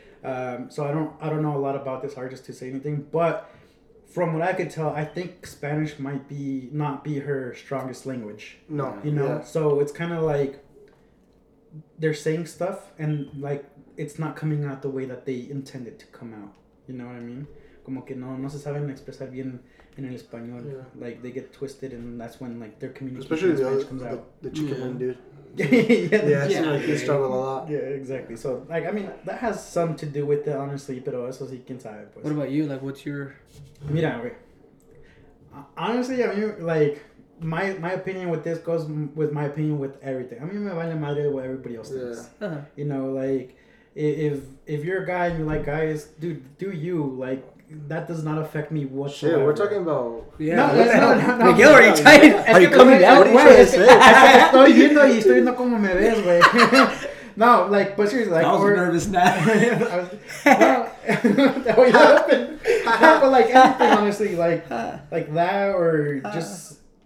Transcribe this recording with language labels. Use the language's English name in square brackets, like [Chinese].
[English] So I don't know a lot about this artist to say anything, but from what I could tell, I think Spanish might be not be her strongest language. No. You know? Yeah. So it's kind of like they're saying stuff and like it's not coming out the way that they intended to come out. You know what I mean? [Spanish] Como que no se saben expresar bien en el español. [English] Yeah. Like they get twisted and that's when like their communication especially in Spanish comes out. The chicken one, dude. Yeah, they struggle a lot. Yeah, exactly. So like I mean that has some to do with it honestly, [Spanish] pero eso sí quién sabe. Pues. [English] What about you? Like what's your [Spanish] mira, güey. [English] Honestly, I mean like my opinion with this goes with my opinion with everything. I mean [Spanish] me vale madre [English] what everybody else thinks. Uh-huh. You know, like if you're a guy and you like guys, dude, do you like that does not affect me whatsoever. Shit, we're talking about... Yeah. No. Miguel, are you trying? Are you coming down? What are you trying to say? [Spanish] Estoy viendo y estoy viendo como me ves, güey. [English] No, like, but seriously, like... I was nervous now. What happened? No, but like, anything, honestly, like that or just...